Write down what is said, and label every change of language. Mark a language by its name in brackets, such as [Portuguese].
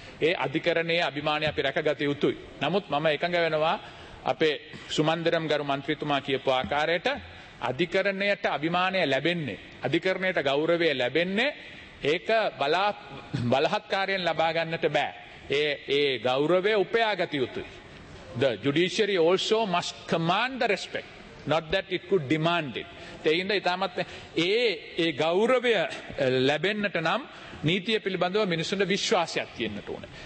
[Sinhala] ඒ අධිකරණයේ අභිමානය අපි රැකගත යුතුයි. නමුත් මම එකඟ වෙනවා අපේ සුමන්දරම් ගරු මන්ත්‍රීතුමා කියපු ආකාරයට අධිකරණයට අභිමානය ලැබෙන්නේ, අධිකරණයට ගෞරවය ලැබෙන්නේ ඒක බලහත්කාරයෙන් ලබා ගන්නට බෑ. ඒ ඒ ගෞරවය උපයා ගත යුතුයි. [English] The judiciary also must command the respect, not that it could demand it. තේින්ද? [Sinhala] ඉතමත් ඒ ගෞරවය ලැබෙන්නට නම් නීතිය පිළිබඳව මිනිසුන්ගේ විශ්වාසයක් තියෙන්න ඕනේ.